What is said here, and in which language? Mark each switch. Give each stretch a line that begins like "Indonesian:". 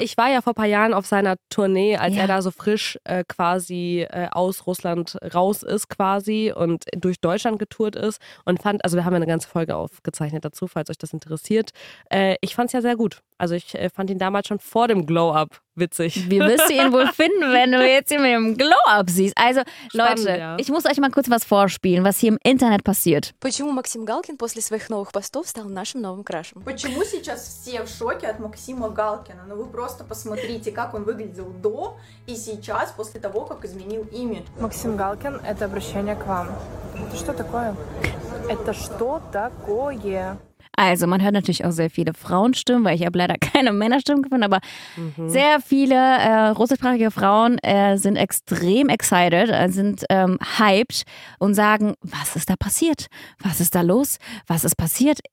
German: Ich war ja vor ein paar Jahren auf seiner Tournee, als er da so frisch quasi aus Russland raus ist quasi und durch Deutschland getourt ist und fand, also wir haben ja eine ganze Folge aufgezeichnet dazu, falls euch das interessiert. Ich fand es ja sehr gut. Also ich fand ihn damals schon vor dem Glow-Up witzig. Wie wirst du ihn wohl finden, wenn du jetzt ihn mit dem Glow-Up siehst? Also spannend, Leute, ich muss euch mal kurz was vorspielen, was hier im Internet passiert. Warum
Russian: Maxim Galkin после своих новых постов стал нашим новым крашем? Почему сейчас все в шоке от Максима Галкина? Ну вы просто посмотрите, как он выглядел до и сейчас, после того, как изменил имидж. Максим Галкин, это обращение к вам. Это что такое? Это что такое?
German: Also man hört natürlich auch sehr viele Frauenstimmen, weil ich habe leider keine Männerstimmen gefunden, aber sehr viele russischsprachige Frauen sind extrem excited, sind hyped und sagen, was ist da passiert? Was ist da los? Was ist passiert?